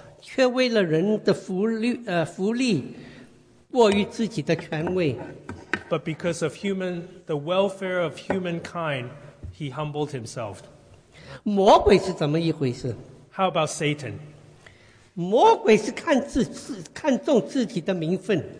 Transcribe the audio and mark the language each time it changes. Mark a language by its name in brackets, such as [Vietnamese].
[Chinese] 却为了人的福利过于自己的权位, [English] but because of human, the welfare of humankind, he humbled himself. [Chinese] 魔鬼是怎么一回事? [English] How about Satan? [Chinese] 魔鬼是看重自己的名分,